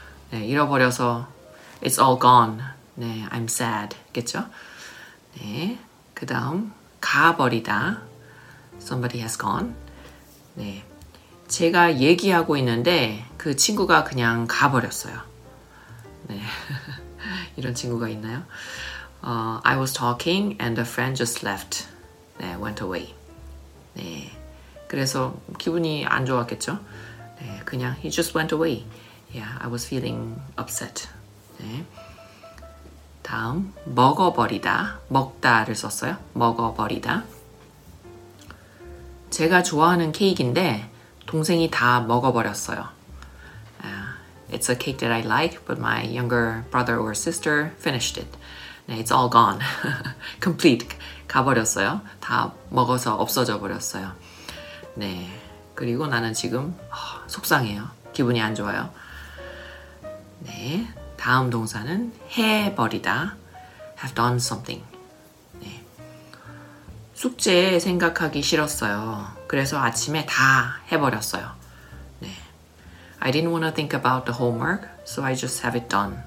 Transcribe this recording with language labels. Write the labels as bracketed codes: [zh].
[en] 네, [ko] 잃어버려서 [en] it's all gone. 네, I'm sad. [ko] 겠죠? 네, 그 다음 가버리다. [en] Somebody has gone. [ko] 네, 제가 얘기하고 있는데 그 친구가 그냥 가버렸어요. 네, 이런 친구가 있나요? [en] I was talking and a friend just left. 네, went away. [ko] 네, 그래서 기분이 안 좋았겠죠? 네, 그냥 [en] he just went away. Yeah, I was feeling upset. [ko] 네, 다음 먹어버리다, 먹다를 썼어요. 먹어버리다. 제가 좋아하는 케이크인데 동생이 다 먹어버렸어요. [en] It's a cake that I like, but my younger brother or sister finished it. 네, it's all gone. Complete. [ko] 가버렸어요. 다 먹어서 없어져 버렸어요. 네, 그리고 나는 지금 속상해요. 기분이 안 좋아요. 네, 다음 동사는 해버리다. [en] Have done something. [ko] 네, 숙제 생각하기 싫었어요. 그래서 아침에 다 해버렸어요. [en] 네, I didn't want to think about the homework, so I just have it done.